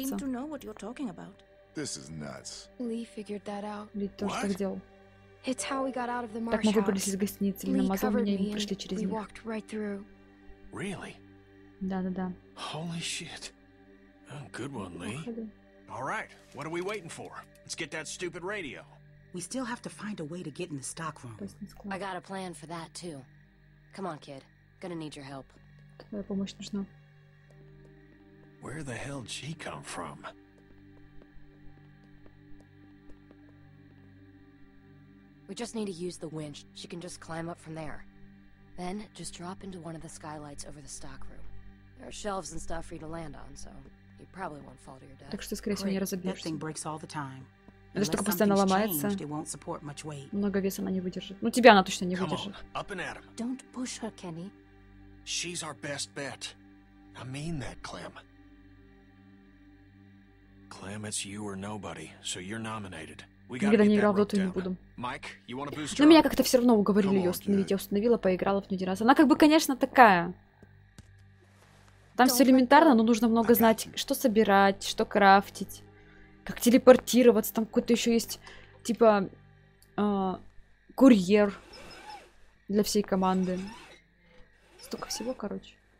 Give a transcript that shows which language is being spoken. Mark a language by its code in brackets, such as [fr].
[en] You seem to know what you're talking about. This is nuts. Lee figured that out. [ru] Лид тоже так делал. [en] It's how we got out of the marsh. [ru] Так мы выбрались из гостиницы, или намазал меня, и мы пришли через них. [en] We walked right through. Really? [ru] Да-да-да. [en] Holy shit. A good one, Lee. All right, what are we waiting for? Let's get that stupid radio. We still have to find a way to get in the stock room. I got a plan for that, too. Come on, kid. Gonna need your help. [ru] Твоя помощь нужна. [en] Where the hell did she come from? We just need to use the winch. She can just climb up from there. Then, just drop into one of the skylights over the stock room. There are shelves and stuff for you to land on, so... You probably won't fall to your death. [ru] Так что, скорее всего, не разобьешься. [en] That thing breaks all the time. [ru] Эта штука постоянно ломается. [en] It won't support much weight. [ru] Много веса она не выдержит. Ну, тебя она точно не выдержит. [en] Come on, up and at 'em. Don't push her, Kenny. She's our best bet. I mean that, Clem. Clem, it's you or nobody, so you're nominated. [ru] Никогда не играл в доту и не буду. [en] Mike, you wanna boost her? [ru] Но меня как-то все равно уговорили ее установить. Я установила, поиграла в нее один раз. Она как бы, конечно, такая... Там все элементарно, но нужно много знать, что собирать, что крафтить, как телепортироваться, там какой-то еще есть, типа, курьер для всей команды. Столько всего, короче.